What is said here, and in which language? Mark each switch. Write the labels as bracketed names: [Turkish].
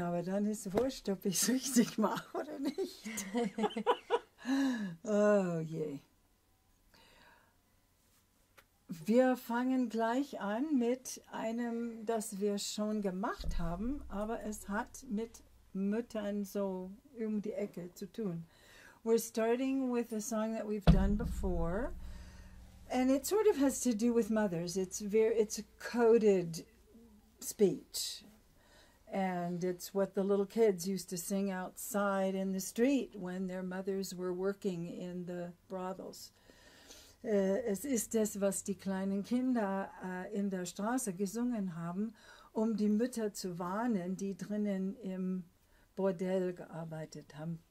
[German] Aber dann ist es wurscht, ob ich es richtig mache oder nicht. Oh je. Wir fangen gleich an mit einem, das wir schon gemacht haben, aber es hat mit Müttern so um die Ecke zu tun. [English] We're starting with a song that we've done before, and it sort of has to do with mothers. It's a coded speech, and it's what the little kids used to sing outside in the street when their mothers were working in the brothels. [German] Es ist das, was die kleinen Kinder in der Straße gesungen haben, um die Mütter zu warnen, die drinnen im Bordell gearbeitet haben.